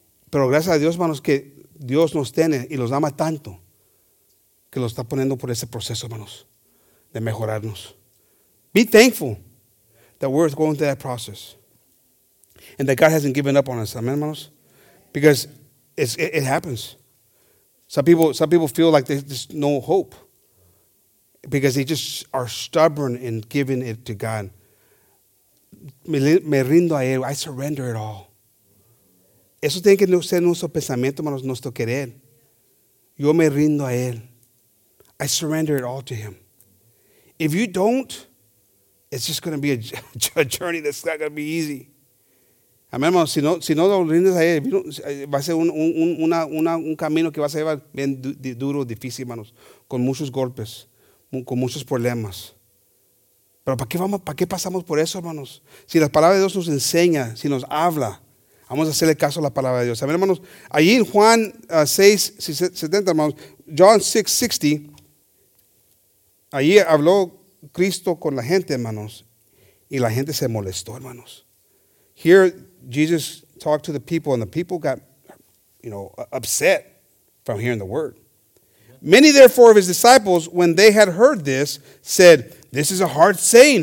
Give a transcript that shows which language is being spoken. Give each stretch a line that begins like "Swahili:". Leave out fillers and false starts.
Spanish: Pero gracias a Dios, hermanos, que Dios nos tiene y los ama tanto que los está poniendo por ese proceso, hermanos, de mejorarnos.
English: Be thankful that we're going through that process and that God hasn't given up on us. Amen, hermanos. Because it happens. Some people feel like there's no hope because they just are stubborn in giving it to God.
Spanish: Me rindo a él.
English: I surrender it all.
Spanish: Eso tiene que ser nuestro pensamiento, hermanos, nuestro querer. Yo me rindo a él.
English: I surrender it all to him. If you don't, it's just going to be a journey that's not going to be easy.
Spanish: Amén, hermano. Si no lo rindes a él, va a ser un camino que va a ser bien duro, difícil, hermanos, con muchos golpes, con muchos problemas. Pero ¿para qué pasamos por eso, hermanos? Si la palabra de Dios nos enseña, si nos habla, vamos a hacerle caso a la palabra de Dios. Amén, hermanos. Allí en Juan 6:70, hermanos,
English: John 6:60,
Spanish: allí habló Cristo con la gente, hermanos, y la gente se molestó, hermanos.
English: Here Jesus talked to the people, and the people got, you know, upset from hearing the word. Many, therefore, of his disciples, when they had heard this, said, "This is a hard saying.